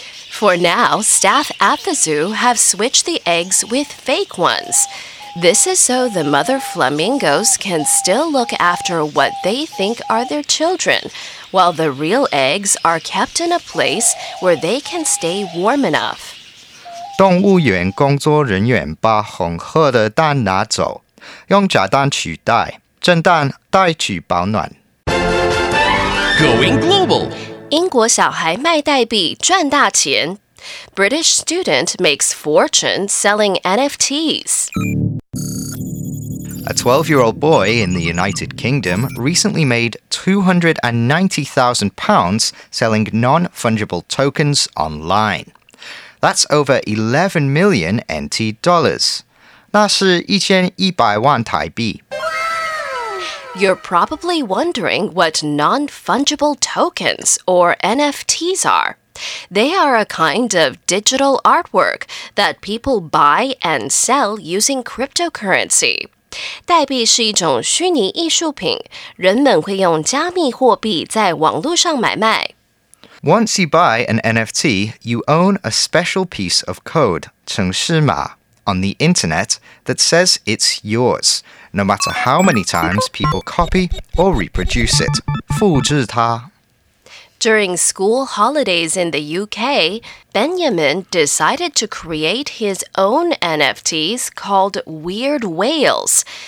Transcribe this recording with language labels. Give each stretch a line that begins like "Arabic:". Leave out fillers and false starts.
English: For now, staff at the zoo have switched the eggs with fake ones. This is so the mother flamingos can still look after what they think are their children, while the real eggs are kept in a place where they can stay warm enough.
Chinese: 动物园工作人员把红鹤的蛋拿走，用假蛋取代，真蛋带去保暖。
English: Going global，
Chinese: 英国小孩卖代币赚大钱。
English: British student makes fortune selling NFTs. A 12-year-old boy in the United Kingdom recently made £290,000 selling non-fungible tokens online. That's over 11 million NT dollars.
Chinese: 那是1100万台币。
English: You're probably wondering what non-fungible tokens, or NFTs, are. They are a kind of digital artwork that people buy and sell using cryptocurrency.
Chinese: 代币是一种虚拟艺术品，人们会用加密货币在网络上买卖。
English: Once you buy an NFT, you own a special piece of code,
Chinese: 程式码,
English: on the internet that says it's yours, no matter how many times people copy or reproduce it.
Chinese: 复制它。
English: During school holidays in the UK, Benjamin decided to create his own NFTs called Weird Whales.